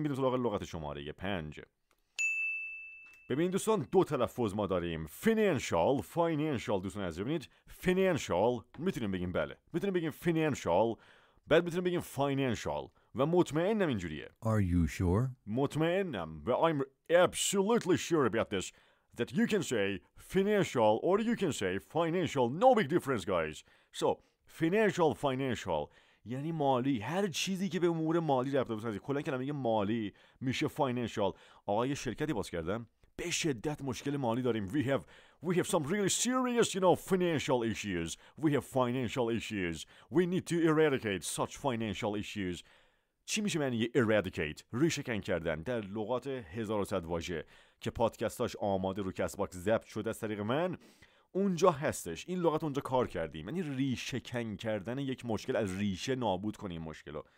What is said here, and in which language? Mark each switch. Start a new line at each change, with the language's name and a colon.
Persian: میریم سراغ لغت شماره 5. ببینید دوستان، دو تلفظ ما داریم، financial، financial. دوستان عزیز ببینید، financial میتونیم بگیم، بله میتونیم بگیم financial، بعد میتونیم بگیم financial، و مطمئنم اینجوریه.
English: Are you sure?
Persian: مطمئنم.
English: I'm absolutely sure about this, that you can say financial or you can say financial. No big difference, guys. So, financial, financial.
Persian: یعنی مالی. هر چیزی که به امور مالی رفته بسنید. کلن کلمه میگه مالی میشه financial. آقا یه شرکتی باز کردم، به شدت مشکل مالی داریم.
English: We have some really serious, you know, financial issues. We have financial issues. We need to eradicate such financial issues.
Persian: چی میشه معنی eradicate؟ ریشکن کردن. در لغات 1100 واژه که پادکستاش آماده رو کست باکس ضبط شده از طریق من، اونجا هستش. این لغت اونجا کار کردیم، یعنی ریشکن کردن یک مشکل، از ریشه نابود کنیم مشکلو.